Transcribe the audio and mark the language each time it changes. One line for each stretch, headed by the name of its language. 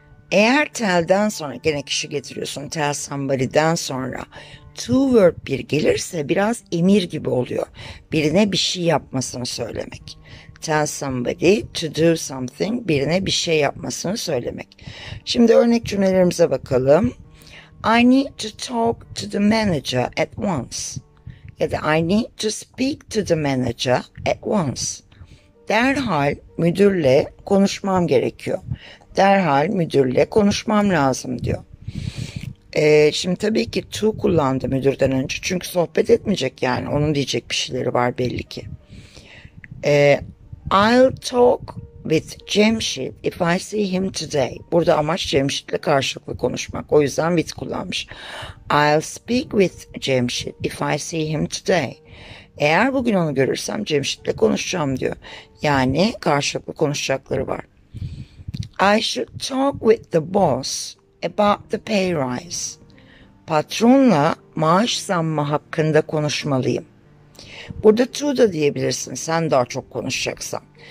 Turkish: Eğer tell'den sonra gene kişi getiriyorsun, tell somebody'den sonra to verb bir gelirse biraz emir gibi oluyor. Birine bir şey yapmasını söylemek.
English: Tell somebody to do something,
Turkish: birine bir şey yapmasını söylemek. Şimdi örnek cümlelerimize bakalım.
English: I need to talk to the manager at once.
Turkish: Ya da
English: I need to speak to the manager at once.
Turkish: Derhal müdürle konuşmam gerekiyor. Derhal müdürle konuşmam lazım diyor. Şimdi tabii ki to kullandı müdürden önce. Çünkü sohbet etmeyecek yani. Onun diyecek bir şeyleri var belli ki.
English: I'll talk with Cemşit if I see him today.
Turkish: Burada amaç Cemşit'le karşılıklı konuşmak. O yüzden with kullanmış.
English: I'll speak with Cemşit if I see him today.
Turkish: Eğer bugün onu görürsem Cemşit'le konuşacağım diyor. Yani karşılıklı konuşacakları var.
English: I should talk with the boss about the pay rise.
Turkish: Patronla maaş zammı hakkında konuşmalıyım. Burada to da diyebilirsin sen daha çok konuşacaksan.